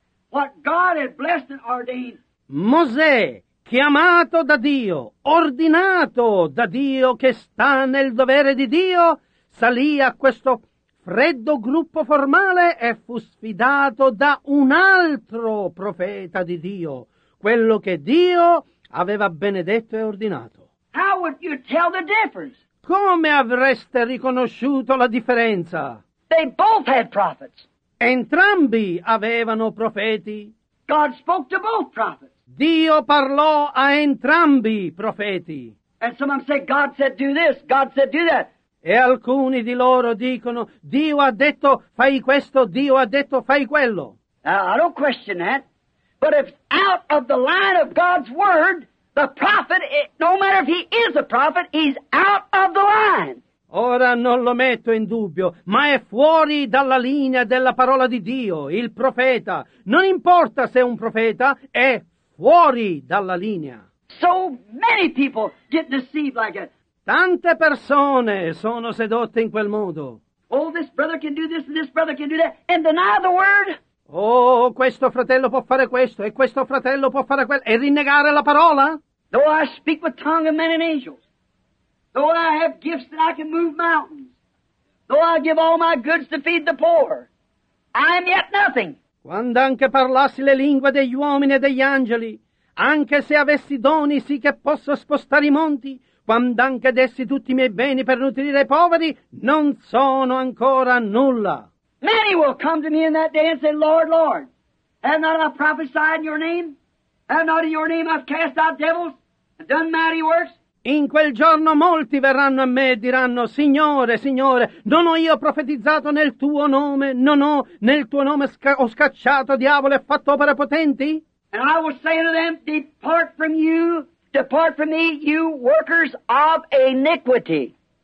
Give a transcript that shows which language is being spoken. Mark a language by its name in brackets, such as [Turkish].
[English] What God had blessed and ordained. [Italian] Mosè, chiamato da Dio, ordinato da Dio che sta nel dovere di Dio, salì a questo freddo gruppo formale e fu sfidato da un altro profeta di Dio, quello che Dio aveva benedetto e ordinato. [English] How would you tell the difference? [Italian] Come avreste riconosciuto la differenza? [English] They both had prophets. [Italian] Entrambi avevano profeti. [English] God spoke to both prophets. [Italian] Dio parlò a entrambi i profeti. [English] And some of them say, God said do this, God said do that. [Italian] E alcuni di loro dicono, Dio ha detto fai questo, Dio ha detto fai quello. [English] Now, I don't question that. But if out of the line of God's word, the prophet, no matter if he is a prophet, he's out of the line. [Italian] Ora non lo metto in dubbio, ma è fuori dalla linea della parola di Dio, il profeta. Non importa se è un profeta, è fuori dalla linea. [English] So many people get deceived like that. [Italian] Tante persone sono sedotte in quel modo. [English] Oh, this brother can do this and this brother can do that and deny the word. [Italian] Oh, questo fratello può fare questo e questo fratello può fare quello e rinnegare la parola? [English] Though I speak with tongues of men and angels, though I have gifts that I can move mountains, though I give all my goods to feed the poor, I am yet nothing. [Italian] Quando anche parlassi le lingue degli uomini e degli angeli, anche se avessi doni sì che posso spostare i monti, quando anche dessi tutti i miei beni per nutrire i poveri, non sono ancora nulla. [English] Many will come to me in that day and say, Lord, Lord, have not I prophesied in your name? Have not in your name I've cast out devils and done mighty works? [Italian] In quel giorno molti verranno a me e diranno, Signore, Signore, non ho io profetizzato nel tuo nome? Non ho nel tuo nome ho scacciato diavoli e fatto opere potenti? [English] And I will say to them, depart from me, you workers of iniquity.